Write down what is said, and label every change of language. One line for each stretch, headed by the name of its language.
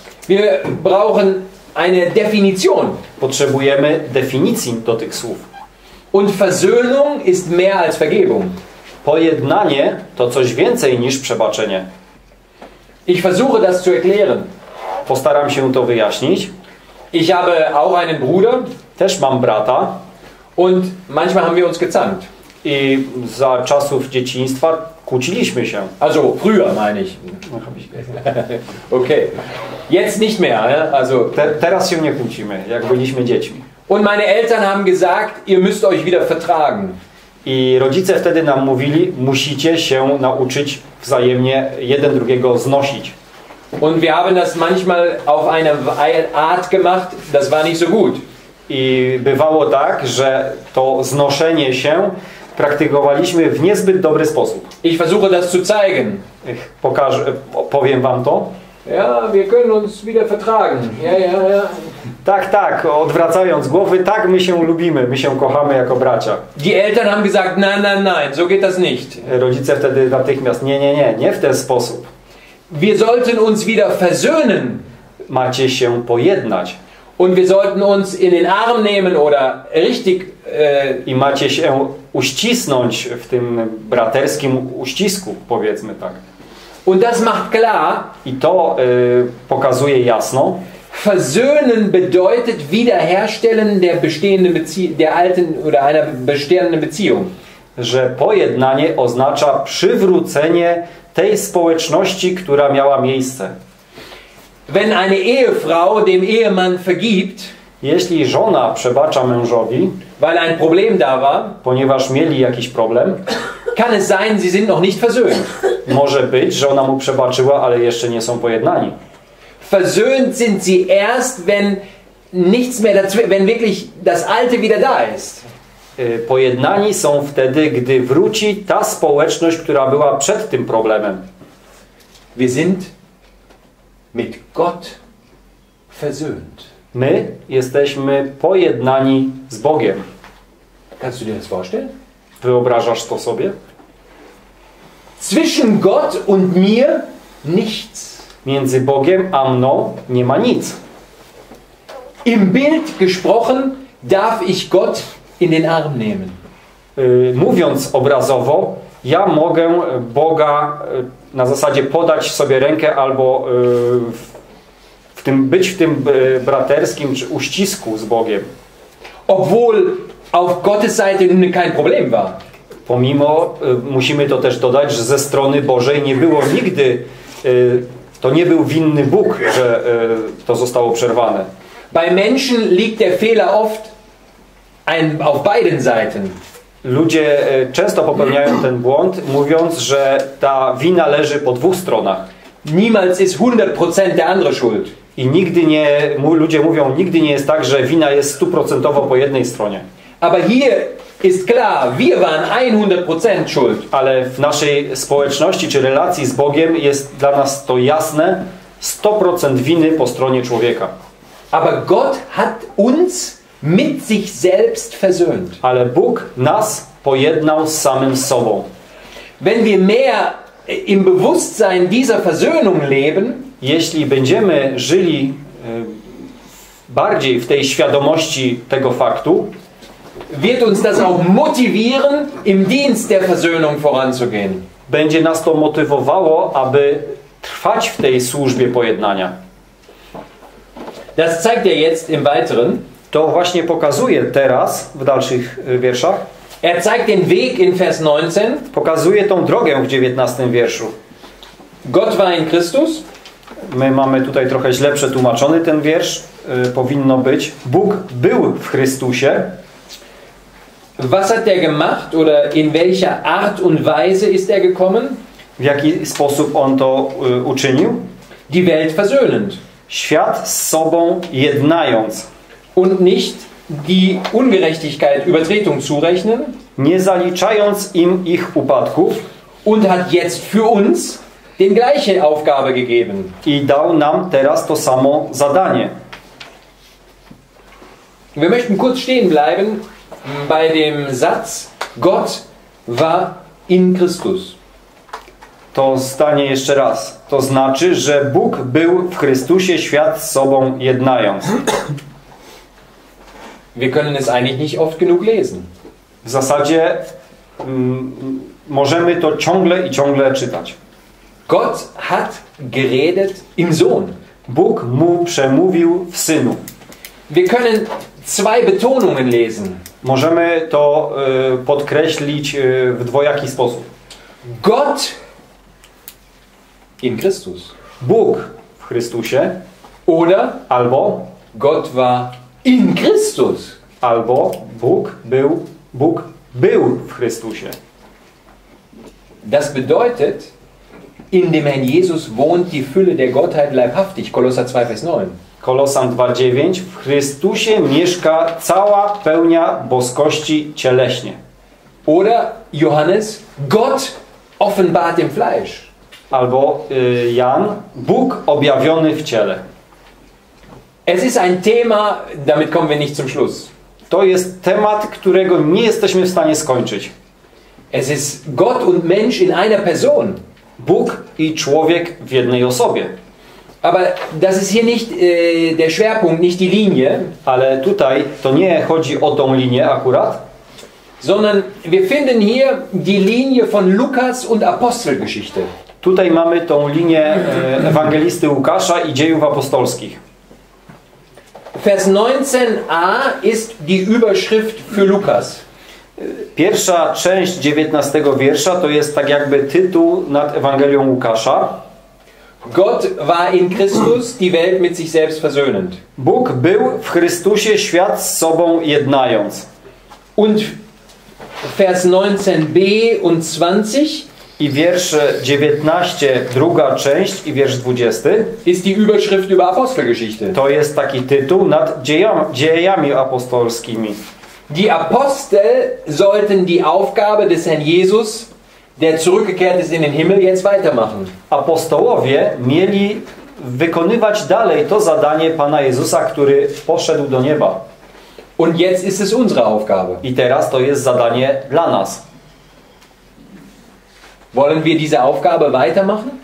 German: Wir brauchen eine Definition.
Polish: Potrzebujemy definicji do tych słów.
German: Und Versöhnung ist mehr als Vergebung.
Polish: Pojednanie to coś więcej niż przebaczenie.
German: Ich versuche das zu erklären.
Polish: Postaram się to wyjaśnić.
German: Ich habe auch einen Bruder.
Polish: Też mam brata.
German: Und manchmal haben wir uns gezankt.
Polish: I za czasów dzieciństwa kłóciliśmy się.
German: Also früher meine ich. Okay. Jetzt nicht mehr. Also
Polish: teraz się nie kłócimy, jak byliśmy dziećmi.
German: Und meine Eltern haben gesagt, ihr müsst euch wieder vertragen.
Polish: I rodzice wtedy nam mówili, musicie się nauczyć wzajemnie jeden drugiego znosić.
German: Und wir haben das manchmal auf eine Art gemacht, das war nicht so gut.
Polish: I bywało tak, że to znoszenie się praktykowaliśmy w niezbyt dobry sposób.
German: Ich versuche das zu zeigen.
Polish: Powiem wam to.
German: Ja, wir können uns wieder vertragen. Ja, ja, ja.
Polish: Tak, tak, odwracając głowy, tak, my się lubimy, my się kochamy jako bracia.
German: Die Eltern haben gesagt, nein, nein, nein, so geht das nicht.
Polish: Rodzice wtedy natychmiast, nie, nie, nie, nie w ten sposób.
German: Wir sollten uns wieder versöhnen.
Polish: Macie się pojednać.
German: Und wir sollten uns in den Arm nehmen oder richtig...
Polish: I macie się uścisnąć w tym braterskim uścisku, powiedzmy tak.
German: Und das macht klar.
Polish: I to pokazuje jasno.
German: Versöhnen bedeutet wiederherstellen der bestehenden der alten oder einer bestehenden Beziehung.
Polish: Że pojednanie oznacza przywrócenie tej społeczności, która miała miejsce.
German: Wenn eine Ehefrau dem Ehemann vergibt,
Polish: jeśli żona przebacza mężowi,
German: weil ein Problem da war,
Polish: ponieważ mieli jakiś problem,
German: kann es sein, sie sind noch nicht versöhnt.
Polish: Może być, że ona mu przebaczyła, ale jeszcze nie są pojednani.
German: Versöhnt sind sie erst, wenn nichts mehr dazu, wenn wirklich das Alte wieder da ist.
Polish: Pojednani są wtedy, gdy wróci ta społeczność, która była przed tym problemem.
German: Wir sind mit Gott versöhnt.
Polish: My jesteśmy pojednani z Bogiem.
German: Kannst du dir das vorstellen?
Polish: Wyobrażasz to sobie?
German: Zwischen Gott und mir nichts.
Polish: Między Bogiem a mną nie ma nic.
German: Im Bild gesprochen darf ich Gott in den Arm nehmen.
Polish: Mówiąc obrazowo, ja mogę Boga na zasadzie podać sobie rękę albo być w tym braterskim czy uścisku z Bogiem.
German: Obwohl auf Gottes Seite kein Problem war.
Polish: Pomimo, musimy to też dodać, że ze strony Bożej nie było nigdy to nie był winny Bóg, że to zostało przerwane.
German: Bei Menschen liegt der Fehler oft auf beiden Seiten.
Polish: Ludzie często popełniają ten błąd, mówiąc, że ta wina leży po dwóch stronach.
German: Niemals ist 100% der andere schuld.
Polish: I nigdy nie, ludzie mówią, nigdy nie jest tak, że wina jest stuprocentowo po jednej stronie.
German: Aber hier ist klar, wir waren 100% schuld.
Polish: Ale w naszej społeczności czy relacji z Bogiem jest dla nas to jasne, 100% winy po stronie człowieka.
German: Aber Gott hat uns mit sich selbst versöhnt.
Polish: Ale Bóg nas pojednał z samym sobą.
German: Wenn wir mehr im Bewusstsein dieser Versöhnung leben,
Polish: jeśli będziemy żyli bardziej w tej świadomości tego faktu,
German: wird uns das auch motivieren, im Dienst der Versöhnung voranzugehen.
Polish: Będzie nas to motywowało, aby trwać w tej służbie pojednania.
German: Das zeigt er jetzt im Weiteren.
Polish: To właśnie pokazuje teraz, w dalszych wierszach.
German: Er zeigt den Weg in Vers 19.
Polish: Pokazuje tą drogę w 19 wierszu.
German: Gott war in Christus.
Polish: My mamy tutaj trochę źle przetłumaczony ten wiersz. Powinno być: Bóg był w Chrystusie.
German: Was hat er gemacht oder in welcher Art und Weise ist er gekommen?
Polish: W jaki sposób on to uczynił?
German: Die Welt versöhnend.
Polish: Świat z sobą jednając.
German: Und nicht die Ungerechtigkeit, Übertretung zurechnen.
Polish: Nie zaliczając im ich upadków.
German: Und hat jetzt für uns den gleiche Aufgabe gegeben.
Polish: I dał nam teraz to samo zadanie.
German: Wir möchten kurz stehen bleiben bei dem Satz: Gott war in Christus.
Polish: To zdanie jeszcze raz. To znaczy, że Bóg był w Chrystusie, świat z sobą jednając.
German: Wir können es eigentlich nicht oft genug lesen.
Polish: W zasadzie możemy to ciągle i ciągle czytać.
German: Gott hat geredet im Sohn.
Polish: Bóg mu przemówił w Synu.
German: Wir können zwei Betonungen lesen.
Polish: Możemy to podkreślić w dwojaki sposób.
German: Gott in Christus.
Polish: Bóg w Chrystusie.
German: Oder
Polish: albo
German: Gott war in Christus.
Polish: Albo Bóg był w Chrystusie.
German: Das bedeutet, in dem Herrn Jesus wohnt die Fülle der Gottheit leibhaftig. Kolosser 2, Vers 9.
Polish: Kolosan 2:9. W Chrystusie mieszka cała pełnia boskości cieleśnie.
German: Oder Johannes, Gott offenbart im Fleisch.
Polish: Albo Jan, Bóg objawiony w ciele.
German: Es ist ein Thema, damit kommen wir nicht zum Schluss.
Polish: To jest temat, którego nie jesteśmy w stanie skończyć.
German: Es ist Gott und Mensch in einer Person.
Polish: Bóg i człowiek w jednej osobie.
German: Aber das ist hier nicht der Schwerpunkt, nicht die Linie.
Polish: Ale tutaj to nie chodzi o tą linię akurat.
German: Sondern wir finden hier die Linie von Lukas und Apostelgeschichte.
Polish: Tutaj mamy tą linię Ewangelisty Łukasza i Dziejów Apostolskich.
German: Vers 19a ist die Überschrift für Lukas.
Polish: Pierwsza część 19 wiersza to jest tak jakby tytuł nad Ewangelią Łukasza.
German: Gott war in Christus, die Welt mit sich selbst versöhnend.
Polish: Bóg był w Chrystusie, świat z sobą jednając.
German: Und Vers 19b und 20.
Polish: I wiersz 19, druga część i wiersz 20.
German: Ist die Überschrift über Apostelgeschichte.
Polish: To jest taki tytuł nad dziejami apostolskimi.
German: Die Apostel sollten die Aufgabe des Herrn Jesus, der zurückgekehrt ist in den Himmel, jetzt weitermachen.
Polish: Apostołowie mieli wykonywać dalej to zadanie Pana Jezusa, który poszedł do nieba.
German: Und jetzt ist es unsere Aufgabe.
Polish: I teraz to jest zadanie dla nas.
German: Wollen wir diese Aufgabe weitermachen?